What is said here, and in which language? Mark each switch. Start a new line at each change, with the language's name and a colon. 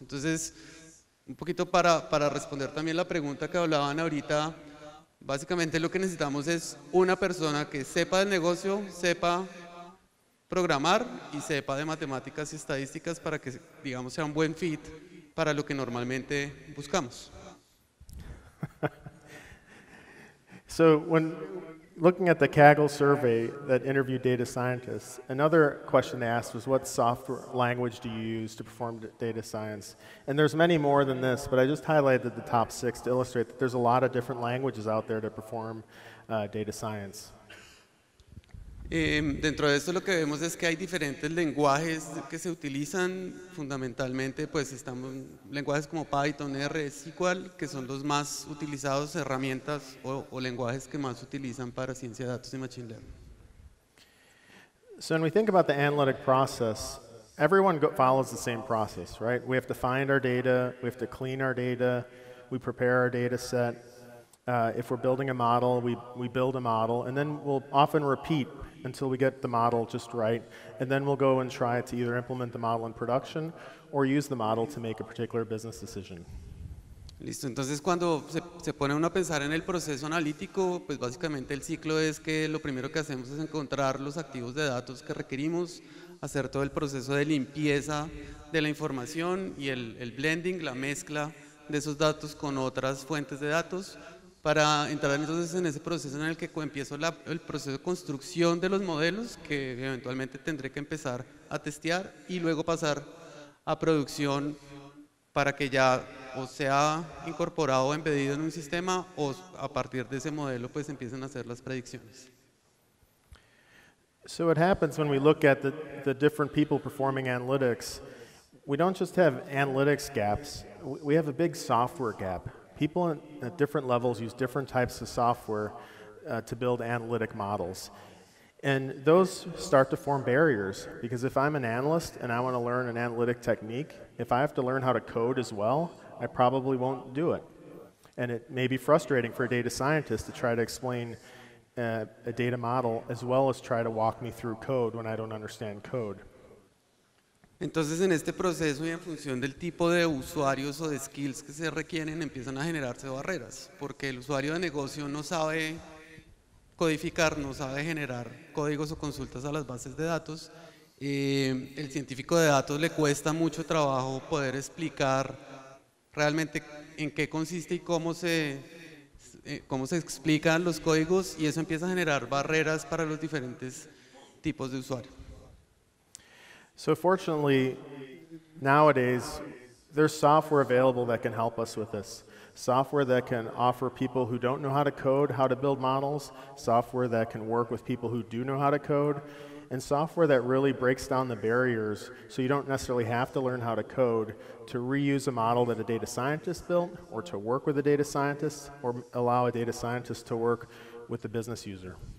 Spanish: Entonces, un poquito para responder también la pregunta que hablaban ahorita, básicamente lo que necesitamos es una persona que sepa del negocio, sepa programar y sepa de matemáticas y estadísticas para que, digamos, sea un buen fit para lo que normalmente buscamos.
English: So when looking at the Kaggle survey that interviewed data scientists, another question they asked was, what software language do you use to perform data science? And there's many more than this, but I just highlighted the top six to illustrate that there's a lot of different languages out there to perform data science.
Spanish: Dentro de esto lo que vemos es que hay diferentes lenguajes que se utilizan, fundamentalmente pues estamos lenguajes como Python, R, SQL, que son los más utilizados herramientas o lenguajes que más utilizan para ciencia de datos y machine learning.
English: So when we think about the analytic process, everyone follows the same process, right? We have to find our data, we have to clean our data, we prepare our data set. If we're building a model, we build a model, and then we'll often repeat until we get the model just right, and then we'll go and try to either implement the model in production or use the model to make a particular business decision.
Spanish: Listo. Entonces, cuando se pone uno a pensar en el proceso analítico, pues básicamente el ciclo es que lo primero que hacemos es encontrar los activos de datos que requerimos, hacer todo el proceso de limpieza de la información y el blending, la mezcla de esos datos con otras fuentes de datos, para entrar entonces en ese proceso en el que empiezo el proceso de construcción de los modelos que eventualmente tendré que empezar a testear y luego pasar a producción para que ya o sea incorporado o embedido en un sistema o a partir de ese modelo pues empiecen a hacer las predicciones.
English: So what happens when we look at the different people performing analytics, we don't just have analytics gaps, we have a big software gap. People at different levels use different types of software to build analytic models. And those start to form barriers, because if I'm an analyst and I want to learn an analytic technique, if I have to learn how to code as well, I probably won't do it. And it may be frustrating for a data scientist to try to explain a data model as well as try to walk me through code when I don't understand code.
Spanish: Entonces, en este proceso y en función del tipo de usuarios o de skills que se requieren, empiezan a generarse barreras, porque el usuario de negocio no sabe codificar, no sabe generar códigos o consultas a las bases de datos. El científico de datos le cuesta mucho trabajo poder explicar realmente en qué consiste y cómo se explican los códigos, y eso empieza a generar barreras para los diferentes tipos de usuarios.
English: So fortunately, nowadays, there's software available that can help us with this. Software that can offer people who don't know how to code how to build models, software that can work with people who do know how to code, and software that really breaks down the barriers so you don't necessarily have to learn how to code to reuse a model that a data scientist built or to work with a data scientist or allow a data scientist to work with the business user.